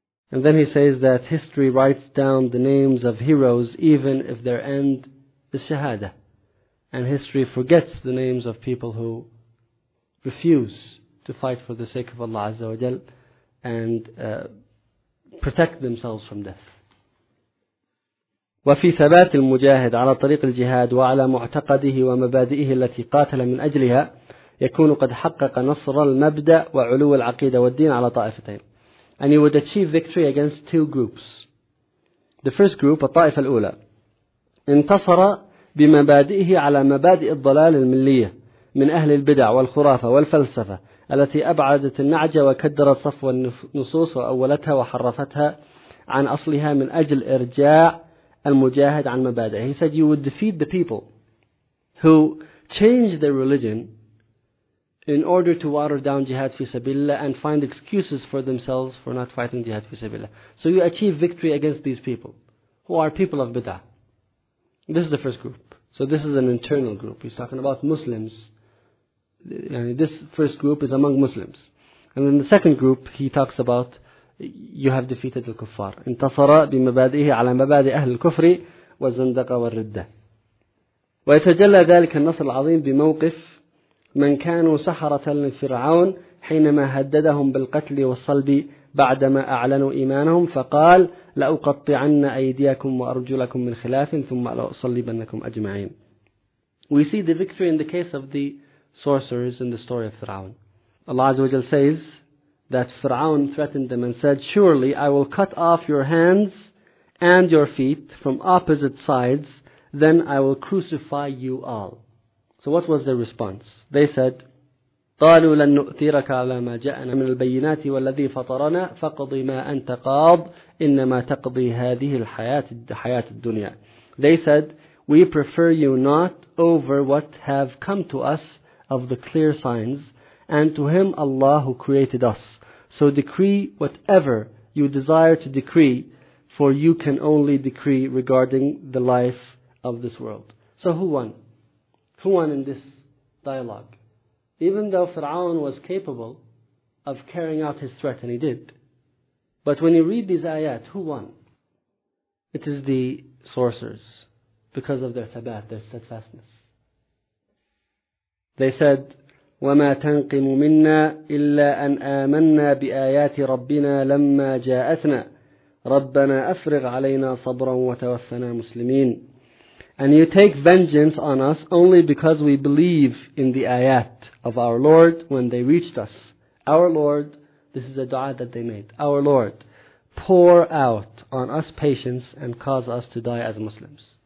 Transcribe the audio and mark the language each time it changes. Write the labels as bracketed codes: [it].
[en] And then he says that history writes down the names of heroes even if their end is shahada. And history forgets the names of people who refuse to fight for the sake of Allah Azza wa Jal and protect themselves from death. [ar] وفي ثبات المجاهد على طريق الجهاد وعلى معتقده ومبادئه التي قاتل من أجلها يكون قد حقق نصر المبدأ وعلو العقيدة والدين على طائفتين. [en] And he would achieve victory against two groups. The first group, [ar] الطائفة الأولى, انتصر بمبادئه على مبادئ الضلال الملية من أهل البدع والخرافة والفلسفة التي أبعدت النعجة وكدرت صفو النصوص وأولتها وحرفتها عن أصلها من أجل إرجاع المجاهد عن مبادئه. [en] He said, you would defeat the people who changed their religion in order to water down jihad fi sabilillah and find excuses for themselves for not fighting jihad fi sabilillah. So you achieve victory against these people who are people of bid'ah. This is the first group. So this is an internal group. He's talking about Muslims. This first group is among Muslims. And then the second group, he talks about, you have defeated the kuffar. [ar] انتصر بمبادئه على مبادئ أهل الكفر والزندقة والردة. ويتجلى ذلك النصر العظيم بموقف من كانوا سحرة لفرعون حينما هددهم بالقتل والصلب بعدما أعلنوا إيمانهم فقال لأقطعن أيديكم وأرجلكم من خلاف ثم لأصلبنكم أجمعين. [en] We see the victory in the case of the sorcerers in the story of Fir'aun. Allah Azza wa Jalla says that Fir'aun threatened them and said, surely I will cut off your hands and your feet from opposite sides, then I will crucify you all. So what was their response? They said, [ar] قالوا لن نؤثرك على ما جاءنا من البينات والذي فطرنا فقضي ما أنت قاض إنما تقضي هذه الحياة الدنيا. [en] They said, we prefer you not over what have come to us of the clear signs, and to him Allah who created us. So decree whatever you desire to decree, for you can only decree regarding the life of this world. So who won? Who won in this dialogue? Even though Fir'aun was capable of carrying out his threat, and he did, but when you read these ayat, who won? It is the sorcerers, because of their thabat, their steadfastness. They said, [ar] وَمَا تَنْقِمُ مِنَّا إِلَّا أَنْ آمَنَّا بِآيَاتِ رَبِّنَا لَمَّا جَاءَتْنَا رَبَّنَا أَفْرِغْ عَلَيْنَا صَبْرًا وَتَوَفَّنَا مُسْلِمِينَ. [en] And you take vengeance on us only because we believe in the ayat of our Lord when they reached us. Our Lord, this is a dua that they made. Our Lord, pour out on us patience and cause us to die as Muslims.